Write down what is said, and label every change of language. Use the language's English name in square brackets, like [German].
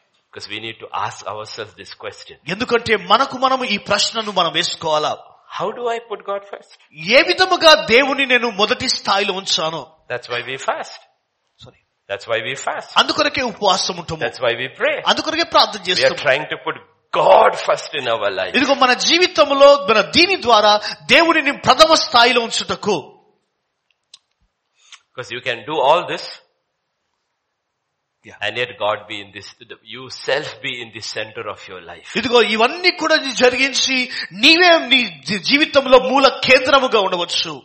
[English] Because we need to ask ourselves this question. [Telugu] ఎందుకంటే మనకు మనము ఈ ప్రశ్నను మనం వేసుకోవాలా. [English] How do I put God first? [Telugu] ఏ విధముగా దేవుని నేను మొదటి స్థాయిలో ఉంచాను? [English] That's why we fast. Sorry. That's why we fast. [Telugu] అందుకొరకే ఉపవాసం ఉంటాము. [English] That's why we pray. [Telugu] అందుకొరకే ప్రార్థన చేస్తాము. [English] We are trying to put God first in our life. [Telugu] ఇదిగో మన జీవితంలో మన దీని ద్వారా దేవుని ప్రథమ స్థాయిలో ఉంచుటకు. [English] Because you can do all this, yeah, and yet God be in this, you self be in the center of your life. [Telugu] ఇదిగో ఇవన్నీ కూడా జరిగించి నీవే నీ జీవితంలో మూల కేంద్రముగా ఉండవచ్చు.